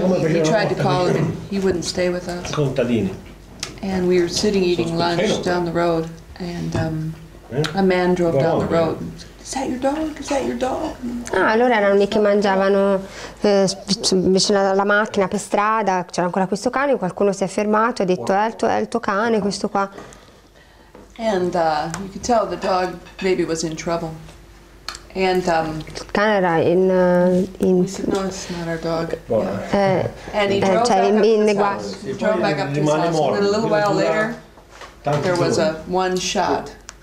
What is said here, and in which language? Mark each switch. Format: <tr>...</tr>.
<en>he tried to call him, he wouldn't stay with us.</en> <it>Contadini.</it> <en>And we were sitting eating lunch down the road, and a man drove down the road. Is that your dog? Is that your dog?</en> <it>Ah, allora erano lì che mangiavano vicino alla macchina per strada, c'era ancora questo cane, qualcuno si è fermato e ha detto è il tuo cane questo qua.</it> <en>And you could tell the dog maybe was in trouble. And</en> <it>il cane era in</it> <en>said, no, it's not our dog. Yeah. And he drove back up to his house. And a little while later there was a one shot.</en>